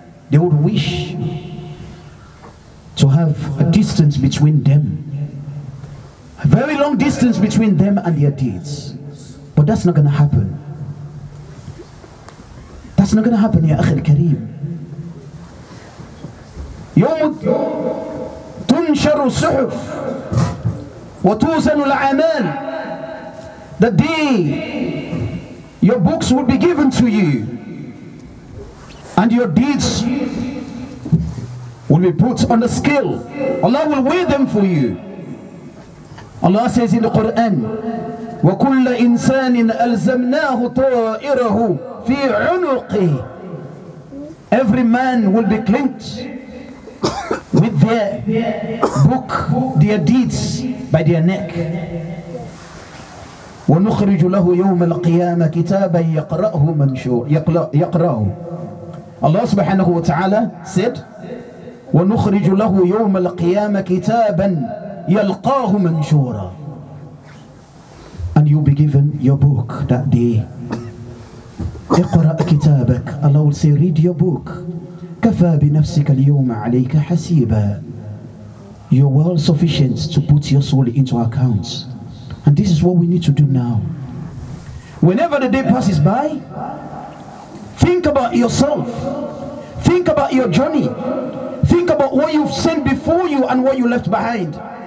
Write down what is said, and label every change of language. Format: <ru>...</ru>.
<en>They would wish to have a distance between them. A very long distance between them and their deeds. But that's not going to happen. That's not going to happen,</en> <ar>Ya Akhil Kareem. يوم تنشر الصحف وتوزن الأعمال.</ar> <en>The day your books will be given to you and your deeds will be put on the scale. Allah will weigh them for you. Allah says in the Quran,</en> <ar>وكل إنسان ألزمناه طائره في عنقه.</ar> <en>Every man will be clinked with their book, their deeds, by their neck.</en> <ar>ونخرج له يوم القيامة كتابا يقرأه منشور يقرأه.</ar> <en>Allah subhanahu wa ta'ala said,</en> <ar>ونخرج له يوم القيامة كتابا يلقاه منشورا.</ar> <en>And you'll be given your book that day.</en> <ar>اقرأ كتابك.</ar> <en>Allah will say, read your book.</en> <ar>كفى بنفسك اليوم عليك حسيبا.</ar> <en>You're well sufficient to put your soul into accounts. And this is what we need to do now. Whenever the day passes by, think about yourself. Think about your journey. Think about what you've sent before you and what you left behind.</en>